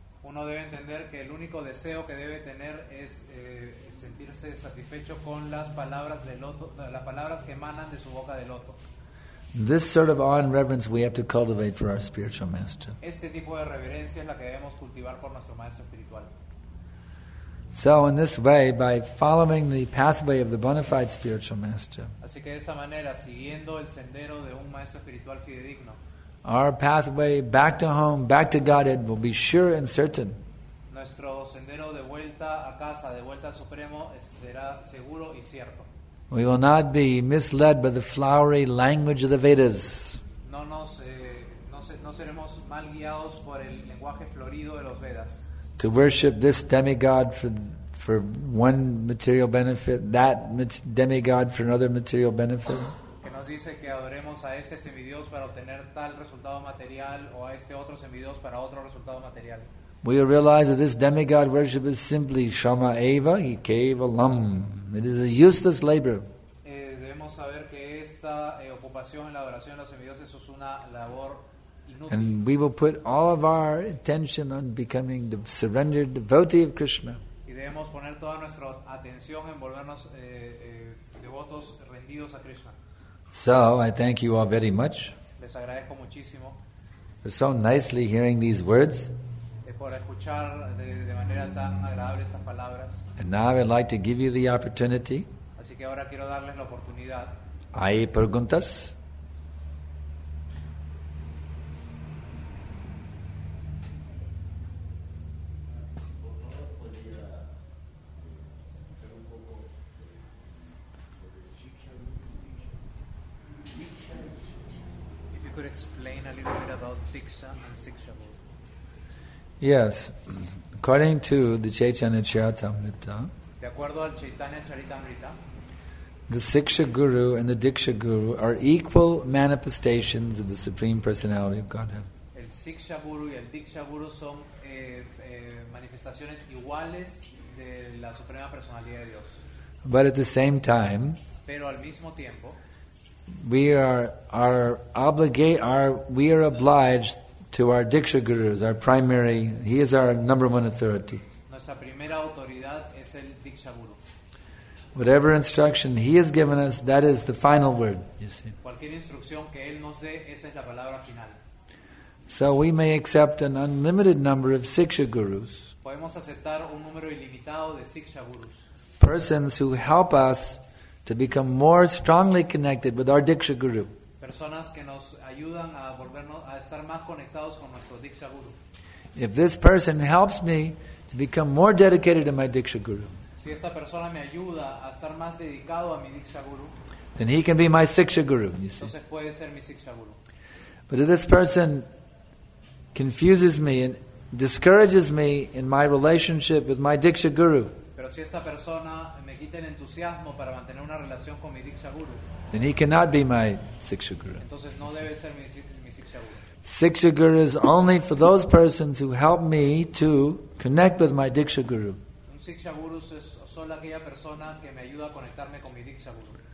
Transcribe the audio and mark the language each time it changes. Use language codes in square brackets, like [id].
[es] Uno debe entender que el único deseo que debe tener es sentirse satisfecho con las palabras del loto, las palabras que emanan de su boca de loto. [en] This sort of awe and reverence we have to cultivate for our spiritual master. [es] Este tipo de reverencia es la que debemos cultivar por nuestro maestro espiritual. [en] So in this way, by following the pathway of the bona fide spiritual master, [es] así que de esta manera, siguiendo el sendero de un maestro espiritual fidedigno, [en] Our pathway back to home, back to Godhead, will be sure and certain. [es] Nuestro sendero de vuelta a casa, de vuelta al Supremo, será seguro y cierto. [en] We will not be misled by the flowery language of the Vedas. [es] No seremos mal guiados por el lenguaje florido de los Vedas. [en] To worship this demigod for one material benefit, that demigod for another material benefit. [es] Que nos dice que adoremos a este semidios para obtener tal resultado material o a este otro semidios para otro resultado material. [en] We will realize that this demigod worship is simply Shama Eva Ikeva Lam. It is a useless labor. [es] Debemos saber que esta ocupación en la adoración a los semidioses es una labor inútil. [en] And we will put all of our attention on becoming the surrendered devotee of Krishna. [es] Y debemos poner toda nuestra atención en volvernos devotos rendidos a Krishna. [en] So, I thank you all very much. [es] Les agradezco muchísimo. [en] For so nicely hearing these words. [es] Por escuchar de manera tan agradable estas palabras. [en] And now I would like to give you the opportunity. [es] Así que ahora quiero darles la oportunidad. ¿Hay preguntas? [en] If you could explain a little bit about Diksha and Siksha. Yes, according to the Chaitanya Charitamrita, [es] de acuerdo al Chaitanya Charitamrita, [en] the Siksha Guru and the Diksha Guru are equal manifestations of the Supreme Personality of Godhead. [es] El Siksha Guru y el Diksha Guru son manifestaciones iguales de la Suprema Personalidad de Dios. [en] But at the same time, [es] pero al mismo tiempo, [en] we are obliged to our Diksha Guru, our primary, he is our number one authority. [es] Nuestra primera autoridad es el Diksha Guru. [en] Whatever instruction he has given us, that is the final word, you see. [es] Cualquier instrucción que él nos dé, esa es la palabra final. [en] So we may accept an unlimited number of Siksha Gurus. [es] Podemos aceptar un número ilimitado de Siksha Gurus. [en] Persons who help us to become more strongly connected with our Diksha Guru. [es] Personas que nos ayudan a volvernos a estar más conectados con nuestro Diksha Guru. [en] If this person helps me to become more dedicated to my Diksha Guru, [es] si esta persona me ayuda a estar más dedicado a mi Diksha Guru, [en] then he can be my Siksha Guru, you see. [es] Entonces puede ser mi Siksha Guru. [en] But if this person confuses me and discourages me in my relationship with my Diksha Guru, [es] pero si esta persona me quita el entusiasmo para mantener una relación con mi Diksha Guru, [en] then he cannot be my Siksha Guru. [es] Entonces, no debe ser mi Siksha Guru. [en] Siksha Guru is only for those persons who help me to connect with my Diksha Guru. [es] Un Siksha Guru es solo aquella persona que me ayuda a conectarme con mi Diksha Guru.